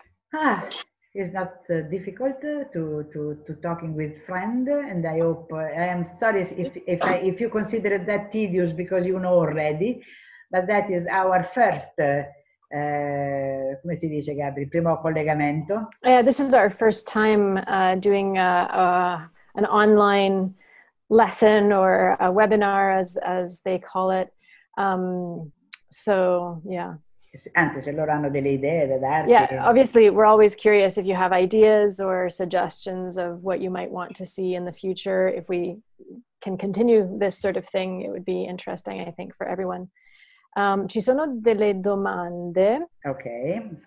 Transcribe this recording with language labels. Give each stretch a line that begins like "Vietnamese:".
English: Ah, it's not difficult to talking with friend, and I hope, I am sorry if you consider that tedious because you know already, but that is our first,
Italian: come si dice Gabri, primo collegamento.
English: Yeah, this is our first time doing an online lesson or a webinar, as they call it. So, yeah.
Italian: Anzi, se loro hanno delle idee da darci.
English: Yeah, obviously, we're always curious if you have ideas or suggestions of what you might want to see in the future. If we can continue this sort of thing, it would be interesting, I think, for everyone.
Italian: Ci sono delle domande.
English: Okay.